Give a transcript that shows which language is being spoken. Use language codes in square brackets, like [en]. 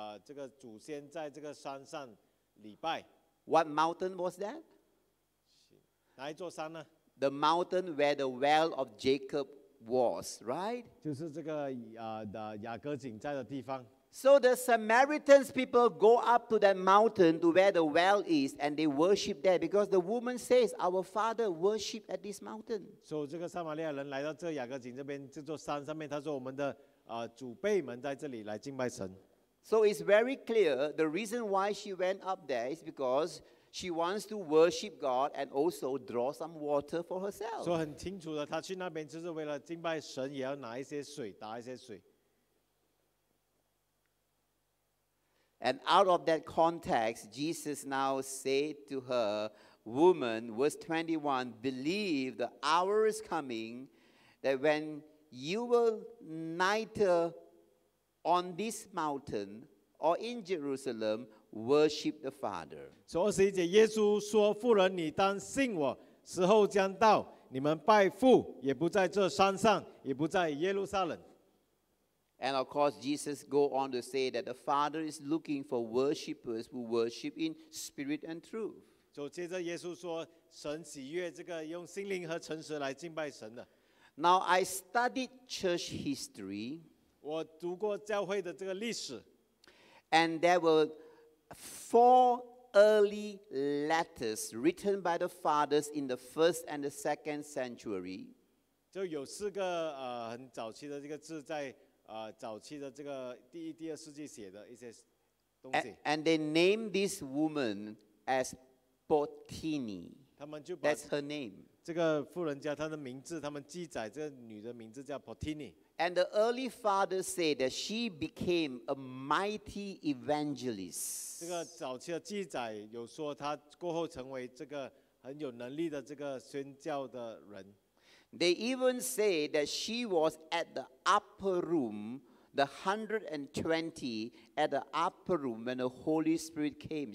[zh] 我们的祖先在这个山上礼拜。 [en] What mountain was that? [zh] 哪一座山呢？ [en] The mountain where the well of Jacob was, right? [zh] 就是这个雅各井在的地方。 [en] So the Samaritans people go up to that mountain to where the well is, and they worship there because the woman says, "Our father worship at this mountain." So [zh] 这个撒玛利亚人来到这雅各井这边这座山上面，他说我们的祖辈们在这里来敬拜神。 [en] So it's very clear the reason why she went up there is because she wants to worship God and also draw some water for herself. So [zh] 很清楚的，她去那边就是为了敬拜神，也要拿一些水，打一些水。 [en] And out of that context, Jesus now said to her, "Woman," verse 21, "believe the hour is coming that when you will neither on this mountain or in Jerusalem worship the Father." So [zh] 21节，耶稣说：“妇人，你当信我，时候将到，你们拜父也不在这山上，也不在耶路撒冷。” [en] And of course, Jesus go on to say that the Father is looking for worshippers who worship in spirit and truth. So, [zh] 接着耶稣说，神喜悦这个用心灵和诚实来敬拜神的。 [en] Now, I studied church history. [zh] 我读过教会的这个历史。 [en] And there were four early letters written by the fathers in the first and the second century. [zh] 就有四个很早期的这个字在。早期的这个第一、第二世纪写的一些东西。 [en] And they named this woman as Botini. That's her name. [zh] 这个妇人家她的名字，他们记载这个女的名字叫 Botini. [en] And the early fathers say that she became a mighty evangelist. [zh] 这个早期的记载有说她过后成为这个很有能力的这个宣教的人。 [en] They even say that she was at the upper room, the 120, at the upper room when the Holy Spirit came.